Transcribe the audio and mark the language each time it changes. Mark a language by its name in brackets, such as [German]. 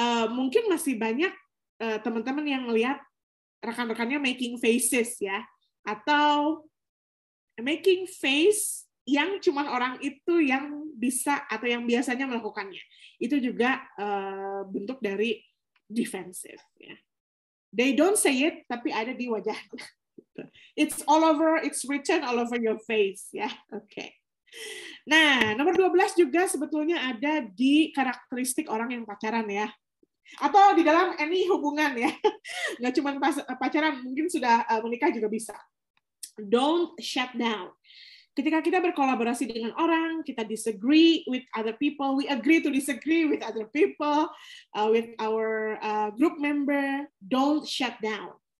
[Indonesian] Mungkin masih banyak teman-teman yang melihat rekan-rekannya [English] making faces [Indonesian] ya, atau [English] making face [Indonesian] yang cuma orang itu yang bisa atau yang biasanya melakukannya. Itu juga bentuk dari defensive. Ya. [English] They don't say it, [Indonesian] tapi ada di wajah. [English] It's all over, it's written all over your face. Ya. Okay. [Indonesian] Nah, nomor 12 juga sebetulnya ada di karakteristik orang yang pacaran ya. Atau di dalam any hubungan ya. Nggak cuma pacaran, mungkin sudah menikah juga bisa. [English] Don't shut down. [Indonesian] Ketika kita berkolaborasi dengan orang, [English] kita disagree with other people, we agree to disagree with other people, with our group member, don't shut down.